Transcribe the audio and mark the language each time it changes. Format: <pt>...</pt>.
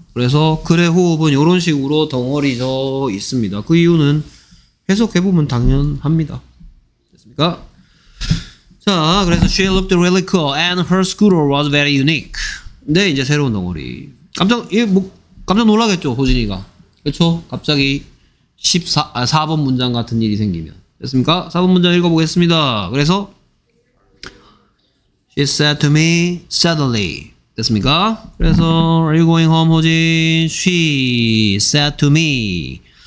<ko>그래서 글의 호흡은 이런 식으로 덩어리져 있습니다. 그 이유는 해석해보면 당연합니다. 됐습니까? 자, 그래서</ko> <en>she looked really cool and her scooter was very unique.</en> <ko>네, 이제 새로운 덩어리. 깜짝 놀라겠죠, 호진이가. 그렇죠? 갑자기 4번 문장 같은 일이 생기면. 됐습니까? 4번 문장 읽어보겠습니다. 그래서</ko> <en>she said to me suddenly.</en> <ko>됐습니까? 그래서</ko> <en>are you going home, 호진? She said to me.</en>